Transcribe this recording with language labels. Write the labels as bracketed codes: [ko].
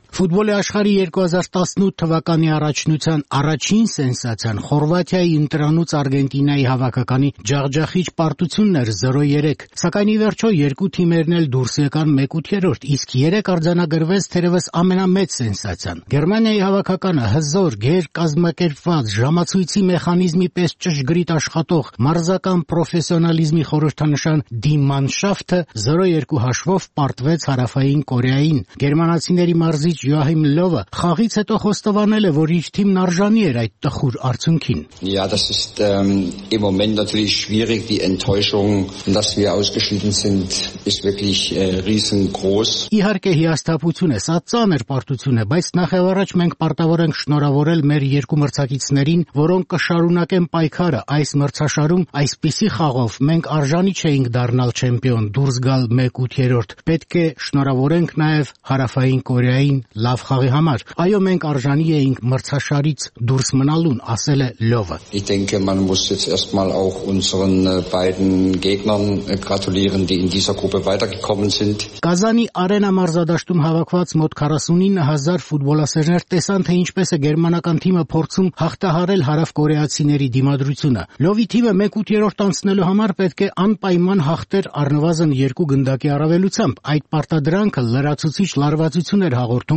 [hy] Ֆուտբոլի աշխարհի 2018 թվականի առաջնության առաջին սենսացիան Խորվաթիայի ընտրանուց Արգենտինայի հավաքականի ջախջախիչ պարտությունն էր 0-3, սակայն ի վերջո երկու թիմերն էլ դուրս եկան 1/3, իսկ 3 արձանագրվեց թերևս ամենամեծ սենսացիան։ Գերմանիայի հավաքականը հզոր, գերկազմակերպված, ժամացույցի մեխանիզմի պես ճշգրիտ աշխատող, մարզական պրոֆեսիոնալիզմի խորհրդանշան Դի Մանշաֆթը 0-2 հաշվով պարտվեց Հարավային Կորեային։ Գերմանացիների Մարզիչ Յոահիմ Լովը խաղից հետո խոստովանել է, որ իր թիմն արժանի էր այդ տխուր արդյունքին։ [de] Ja, das ist im Moment natürlich schwierig, die Enttäuschung, dass wir ausgeschieden sind, ist wirklich riesengroß. [hy] Իհարկե հիասթափություն է, սա ծանր պարտություն է, բայց նախևառաջ մենք պարտավոր ենք շնորհավորել մեր երկու մրցակիցներին, որոնք կշարունակեն պայքարը այս մրցաշարում, այսպիսի խաղով մենք արժանի չենք դառնալ չեմպիոն, դուրս գալ 1/3, պետք է շնորհավորենք նաև Հարավային Կորեային լավ խաղի համար։ Այո, մենք արժանի էինք մրցաշարից դուրս մնալուն, ասել է Լովը։ [de] Ich denke, man muss jetzt erstmal auch unseren beiden Gegnern gratulieren, die in dieser Gruppe weitergekommen sind. [hy] Կազանի Արենա մարզադաշտում հավաքված մոտ 49,000 ֆուտբոլասերներ տեսան, թե ինչպես է գերմանական թիմը փորձում հաղթահարել հարավկորեացիների դիմադրությունը։ Լովի թիմը 1/3 անցնելու համար պետք է անպայման հաղթեր առնվազն 2 գնդակի առավելությամբ։ Այդ պարտադրանքը լրացուցիչ լարվածություն էր հաղորդում